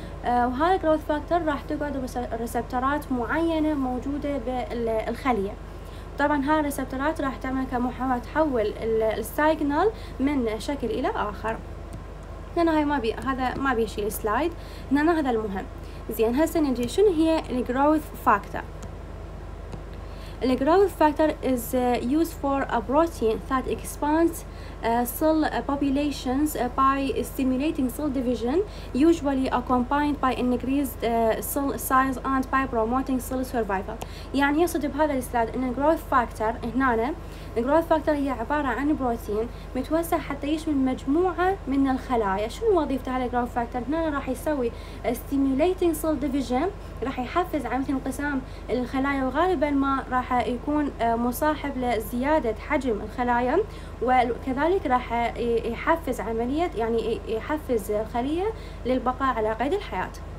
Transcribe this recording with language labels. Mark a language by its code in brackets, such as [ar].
[ar] وهذا growth factor راح تقعد بريسبترات معينة موجودة بالخلية. طبعا هاي الريسبترات راح تعمل كمحاولة تحول السيجنال من شكل إلى آخر. هنا هاي ما بي هذا ما بيشيل سلايد. هنا هذا المهم. زين هسه نجي شنو هي الجروث فاكتور. [en] الجروث factor is used for a protein that expands cell populations by stimulating cell division, usually accompanied by increased cell size and by promoting cell survival. [ar] يعني يقصد بهذا السلايد ان الجروث فاكتور هنا الجروث فاكتور هي عبارة عن بروتين متوسع حتى يشمل مجموعة من الخلايا. شنو وظيفته هذا الجروث فاكتور؟ هنا راح يسوي [en] stimulating cell division، [ar] راح يحفز عملية انقسام الخلايا، وغالبا ما راح يكون مصاحب لزيادة حجم الخلايا، وكذلك راح يحفز عملية يعني يحفز الخلية للبقاء على قيد الحياة.